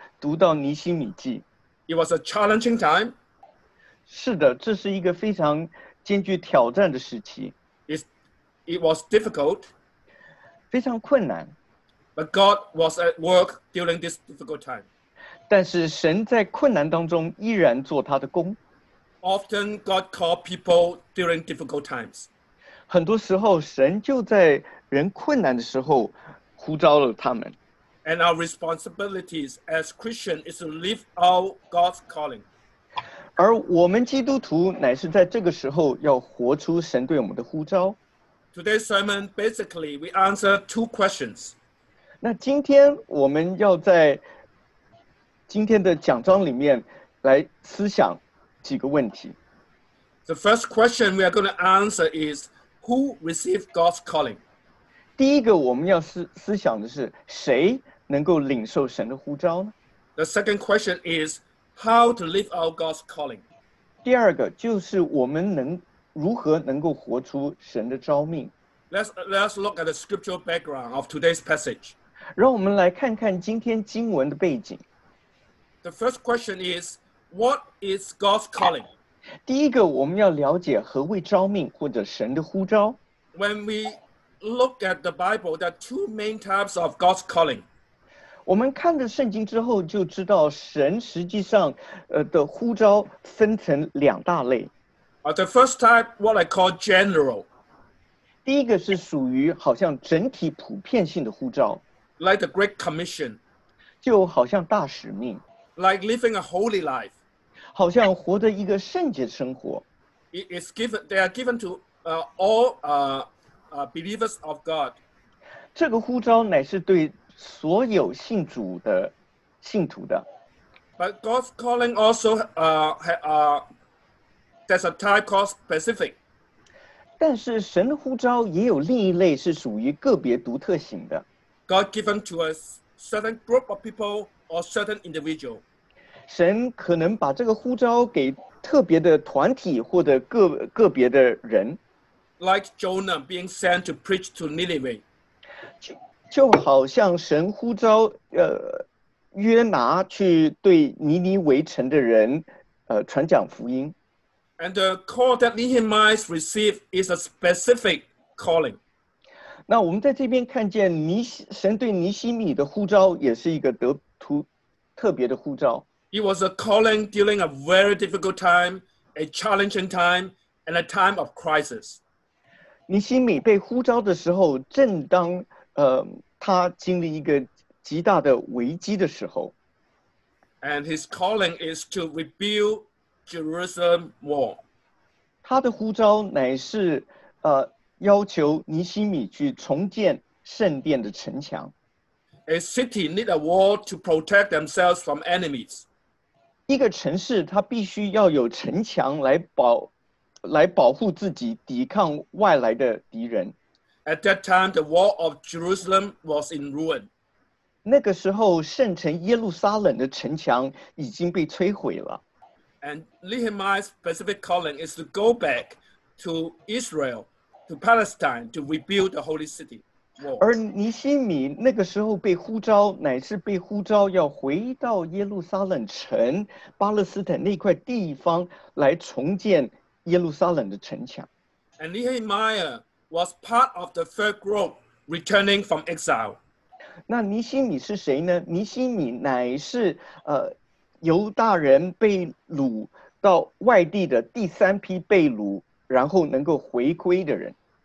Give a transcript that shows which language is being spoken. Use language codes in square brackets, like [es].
[zh] 但是我却在这个时候读到尼希米记。 [en] It was a challenging time. [zh] 是的，这是一个非常艰巨挑战的时期。 [en] It was difficult. [zh] 非常困难。 [en] But God was at work during this difficult time. [zh] 但是神在困难当中依然做他的工。 [en] Often God called people during difficult times. [zh] 很多时候神就在人困难的时候呼召了他们。 [en] And our responsibilities as Christians is to live out God's calling. [zh] 而我们基督徒乃是在这个时候要活出神对我们的呼召。 [en] Today's sermon, basically, we answer two questions. [zh] 那今天我们要在今天的讲章里面来思想几个问题。 [en] The first question we are going to answer is, who received God's calling? [zh] 第一个我们要思想的是谁能够领受神的呼召呢 [en] ？The second question is how to live out God's calling. [zh] 第二个就是我们能如何能够活出神的召命。 [en] Let's look at the scriptural background of today's passage. [zh] 让我们来看看今天经文的背景。 [en] The first question is what is God's calling? [zh] 第一个我们要了解何谓召命或者神的呼召。 [en] When we look at the Bible, there are two main types of God's calling. [zh] 我们看了圣经之后就知道神实际上的呼召分成两大类。 [en] The first type, what I call general. [zh] 第一个是属于好像整体普遍性的呼召。 [en] Like the Great Commission. [zh] 就好像大使命。 [en] Like living a holy life. [zh] 好像活着一个圣洁生活。 [en] It's given, they are given to believers of God. [zh] 这个呼召乃是对所有信主的信徒的。 [en] But God's calling also, there's a type called specific. [zh] 但是神的呼召也有另一类是属于个别独特型的。 [en] God given to a certain group of people or certain individual. [zh] 神可能把这个呼召给特别的团体或者个别的人。 [en] Like Jonah being sent to preach to Nineveh. [zh] 就好像神呼召约拿去对尼尼微城的人传讲福音。 [en] And the call that Nehemiah received is a specific calling. [zh] 那我们在这边看见神对尼希米的呼召也是一个得徒特别的呼召。 [en] It was a calling during a very difficult time, a challenging time, and a time of crisis. [zh] 尼希米被呼召的时候，正当他经历一个极大的危机的时候。 [en] And his calling is to rebuild Jerusalem wall. [zh] 他的呼召乃是要求尼希米去重建圣殿的城墙。 [en] A city need a wall to protect themselves from enemies. [zh] 一个城市，它必须要有城墙来保护自己，抵抗外来的敌人。 [en] At that time, the wall of Jerusalem was in ruin. [zh] 那个时候，圣城耶路撒冷的城墙已经被摧毁了。 [en] And Nehemiah's specific calling is to go back to Israel, to Palestine, to rebuild the holy city wall. [zh] 而尼希米那个时候被呼召，乃是被呼召要回到耶路撒冷城、巴勒斯坦那块地方来重建。耶路撒冷的城墙。 [en] And Nehemiah was part of the third group returning from exile. [zh] 那尼希米是谁呢？尼希米乃是犹大人被掳到外地的第三批被掳，然后能够回归的人。